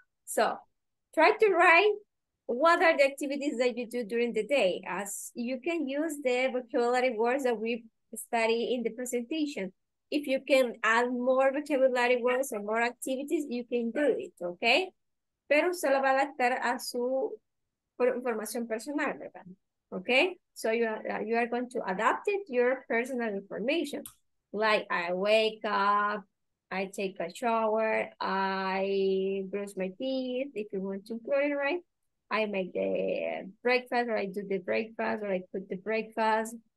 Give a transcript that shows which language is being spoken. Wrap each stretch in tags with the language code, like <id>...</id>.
<en>So try to write what are the activities that you do during the day, as you can use the vocabulary words that we study in the presentation. If you can add more vocabulary words or more activities, you can do it, okay?</en> <es>Pero solo va a adaptar a su información personal, ¿verdad?</es> <en>Okay, so you are going to adapt it, your personal information, like I wake up, I take a shower, I brush my teeth, if you want to put it right, I make the breakfast, or I do the breakfast, or I put the breakfast.</en>